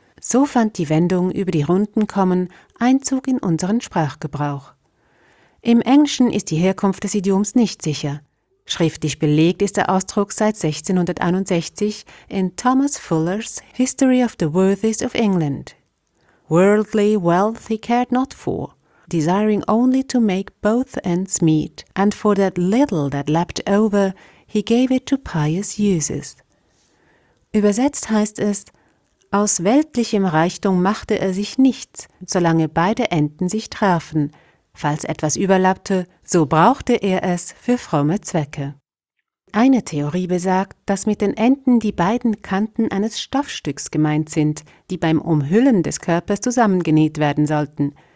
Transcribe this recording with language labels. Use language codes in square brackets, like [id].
[de] So fand die Wendung über die Runden kommen Einzug in unseren Sprachgebrauch. Im Englischen ist die Herkunft des Idioms nicht sicher. Schriftlich belegt ist der Ausdruck seit 1661 in Thomas Fuller's History of the Worthies of England. [en] Worldly wealth he cared not for, desiring only to make both ends meet, and for that little that lapped over, he gave it to pious uses. [de] Übersetzt heißt es, aus weltlichem Reichtum machte er sich nichts, solange beide Enden sich trafen. Falls etwas überlappte, so brauchte er es für fromme Zwecke. Eine Theorie besagt, dass mit den Enden die beiden Kanten eines Stoffstücks gemeint sind, die beim Umhüllen des Körpers zusammengenäht werden sollten.